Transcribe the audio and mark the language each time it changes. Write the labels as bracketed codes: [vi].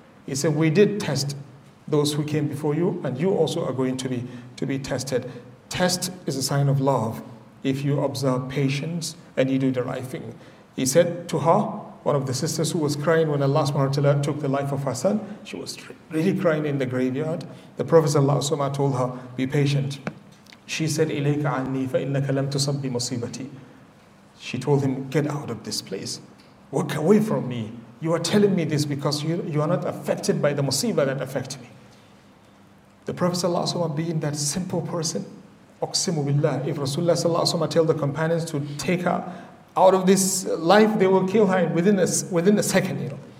[en] He said, "We did test those who came before you, and you also are going to be tested." Test is a sign of love if you observe patience and you do the right thing. He said to her, one of the sisters who was crying when Allah subhanahu wa ta'ala took the life of her son, she was really crying in the graveyard. The Prophet sallallahu alaihi wasallam told her, "Be patient. [ar] She said, إِلَيْكَ عَنِّي فَإِنَّكَ لَمْ تُصَبْ بِمُصِيبَتِي. [en] She told him, get out of this place. Walk away from me. You are telling me this because you are not affected by the musibah that affects me. The Prophet ﷺ, being that simple person, [ar] أُقْسِمُ بِاللَّهِ, [en] if Rasulullah ﷺ tell the companions to take her out of this life, they will kill her within a second. You know.